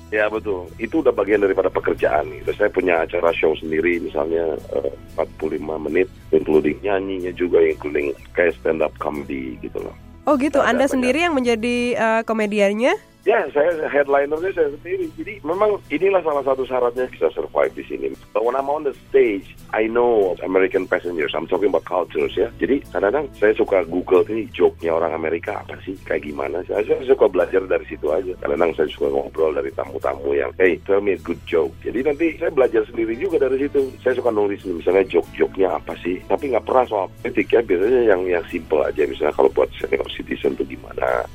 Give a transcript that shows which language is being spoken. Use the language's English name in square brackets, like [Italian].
[Indonesian] Ya betul, itu udah bagian daripada pekerjaan. Gitu. Saya punya acara show sendiri misalnya 45 menit, including nyanyinya juga, including kayak stand up comedy gitu loh. Oh gitu, Anda sendiri yang menjadi komediannya? Ya, saya headlinernya saya sendiri. Jadi memang inilah salah satu syaratnya bisa survive di sini. [English] But when I'm on the stage, I know American passengers. I'm talking about cultures ya. [Indonesian] Jadi kadang-kadang saya suka Google ini joke-nya orang Amerika apa sih, kayak gimana. Saya suka belajar dari situ aja. Kadang-kadang saya suka ngobrol dari tamu-tamu yang, [English] hey, tell me a good joke. [Indonesian] Jadi nanti saya belajar sendiri juga dari situ. Saya suka nulis misalnya joke-joke-nya apa sih. Tapi nggak pernah soal politik ya. Biasanya yang simple aja. Misalnya kalau buat senior citizen itu gimana.